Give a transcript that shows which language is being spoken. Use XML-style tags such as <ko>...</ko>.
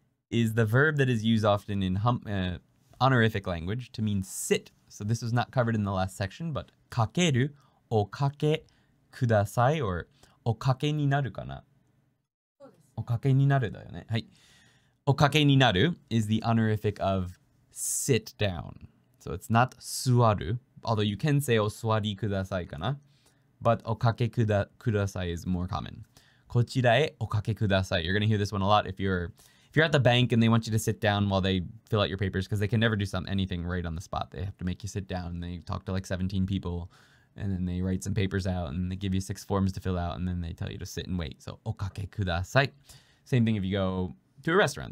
<en>is the verb that is used often in honorific language to mean sit. So this was not covered in the last section, but</en> <ja>かける、おかけください、or おかけになるかな。おかけになるだよね。</ja> <en>はい。おかけになる is the honorific of sit down. So it's not 座る、although you can say</en> <ja>お座りくださいかな。</ja> <en>But おかけください is more common.</en> <ja>こちらへおかけください。</ja> <en>You're going to hear this one a lot if you're at the bank and they want you to sit down while they fill out your papers because they can never do anything right on the spot. They have to make you sit down and they talk to like 17 people and then they write some papers out and they give you 6 forms to fill out and then they tell you to sit and wait. So,</en> <ja>おかけください。</ja> <en>Same thing if you go to a restaurant.</en>